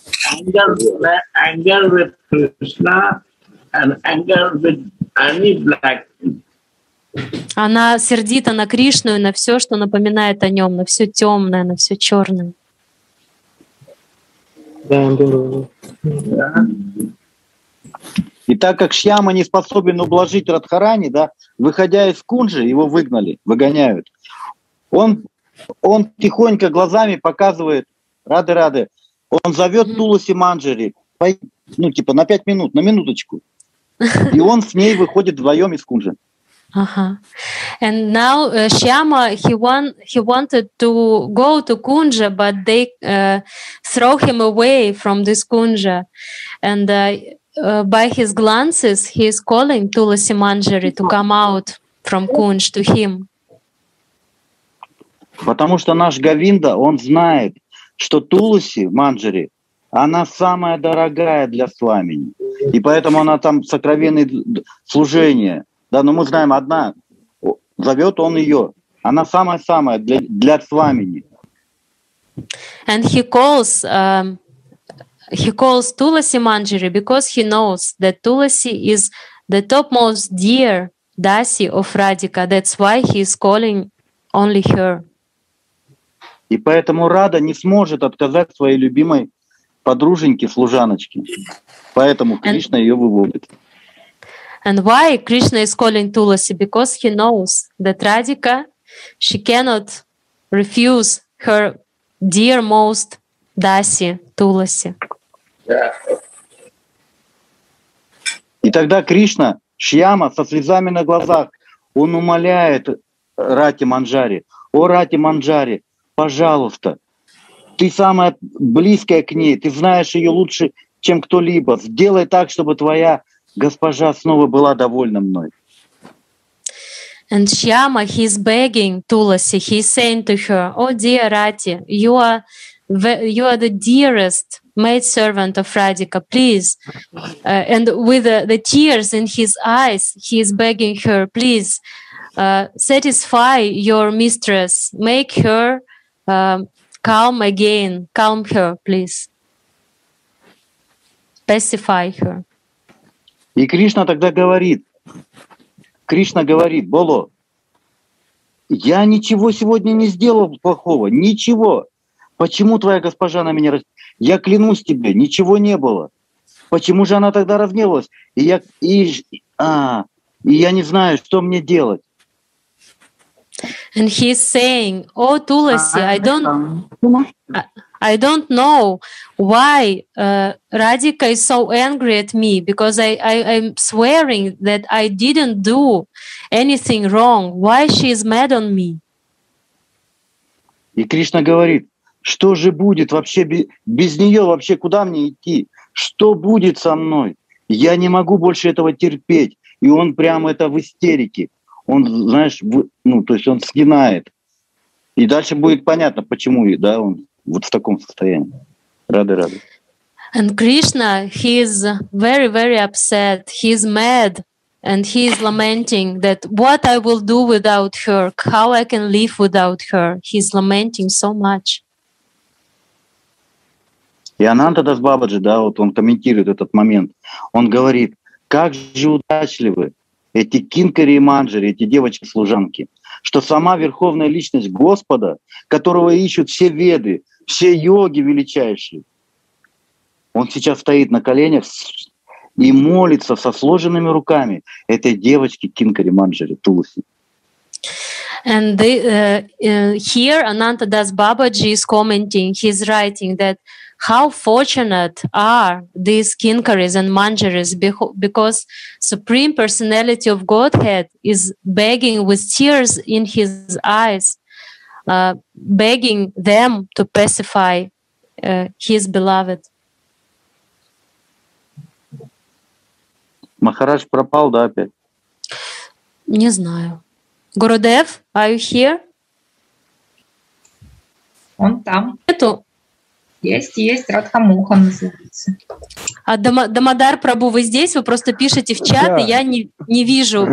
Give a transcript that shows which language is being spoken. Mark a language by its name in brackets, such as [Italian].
[English] Anger with Krishna and anger with any black. [Russian] Она сердита на Кришну и на все, что напоминает о нем, на все темное, на все черное. И так как Шьяма не способен ублажить Радхарани, да, выходя из кунжи, его выгнали, выгоняют. Он тихонько глазами показывает, рады, он зовет Туласи Манджари, ну, типа, на 5 минут, на минуточку. И он с ней выходит вдвоем из кунжи. Uh-huh. [English] And now Shyama, he wanted to go to Kunja, but they throw him away from this Kunja. And by his glances, he is calling Tulasi Manjari to come out from Kunj to him. [Russian] Потому что наш Говинда, он знает, что Туласи Манджари, она самая дорогая для Сламини. И поэтому она там сокровенное служение. Да, но мы знаем, одна зовет он ее. Она самая-самая для Свамини. [English] And he calls Tulasi Manjari because he knows that Tulasi is the topmost dear dasi of Radhika. That's why he is calling only her. [Russian] И поэтому Рада не сможет отказать своей любимой подруженьке, служаночке. Поэтому Кришна ее выводит. [English] And why Krishna is calling Tulasi? Because he knows that Radhika, she cannot refuse her dear most Dasi, Tulasi. [Russian] И тогда Кришна, Шьяма, со слезами на глазах, он умоляет Рати Манджари: «О, Рати Манджари, пожалуйста, ты самая близкая к ней, ты знаешь ее лучше, чем кто-либо. Сделай так, чтобы твоя госпожа снова была довольна мной». [English] And Shyama, he's begging Tulasi, he's saying to her, «О, dear Rati, you are the dearest maidservant of Radhika, please». And with the tears in his eyes, he's begging her, «Please, satisfy your mistress, make her calm again, calm her, please. Pacify her». [Russian] И Кришна тогда говорит, Кришна говорит: «Боло, я ничего сегодня не сделал плохого, ничего. Почему твоя госпожа на меня разнилась? Я клянусь тебе, ничего не было. Почему же она тогда разнилась? И я не знаю, что мне делать». And he's saying, "Oh Tulasi, I don't know why Radhika is so angry at me, because I'm swearing that I didn't do anything wrong. Why she is mad on me?" И Кришна говорит: «Что же будет вообще без нее? Вообще куда мне идти? Что будет со мной? Я не могу больше этого терпеть». И он прямо это в истерике. Он, знаешь, ну, то есть он сгинает. И дальше будет понятно, почему, да, он вот в таком состоянии. Рады. [English] And Krishna, he is very, very upset. He's mad and he's lamenting that what I will do without her, how I can live without her. He's lamenting so much. [Russian] И Ананта Дас Бабаджи, да, вот он комментирует этот момент. Он говорит: «Как же удачливы эти кинкари и манджари, эти девочки-служанки, что сама верховная личность Господа, которого ищут все веды, все йоги величайшие, он сейчас стоит на коленях и молится со сложенными руками этой девочке кинкари и манджари Тулуси». [English] And the, here Ananta Das Babaji is commenting, he's writing that how fortunate are these kinkaris and manjaris, because Supreme Personality of Godhead is begging with tears in his eyes, begging them to pacify his beloved. [Russian] Махарадж пропал, да, опять? Не знаю. [English] Gurudev, are you here? [Russian] Он там. Нету? Есть. Радха Муха называется. А Дамодар Прабу, вы здесь? Вы просто пишете в чат, да. И я не вижу.